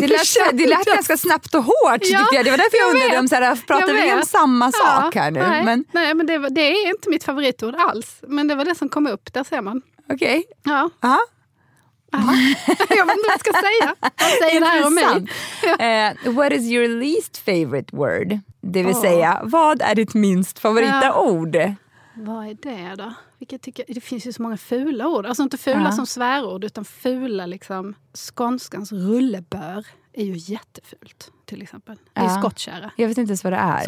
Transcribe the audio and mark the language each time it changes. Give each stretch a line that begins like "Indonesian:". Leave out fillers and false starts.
Swedish: det lät, det lät ganska snabbt och hårt. Ja, det var därför jag undrade om så här, pratar vi om samma sak här nu? Nej, men det är inte mitt favoritord alls. Men det var det som kom upp, där ser man. Okej. Okay. Ja. Aha. Jag vet inte vad jag ska säga. Vad säger det här om mig?
English: What is your least favorite word?
Swedish: Det vill säga, vad är ditt minst favorita ord? Vad är det då? Vilket tycker jag, det finns ju så många fula ord. Alltså inte fula som svärord, utan fula liksom. Skånskans rullebör är ju jättefult, till exempel. Det är skottkära. Jag vet inte ens vad det är.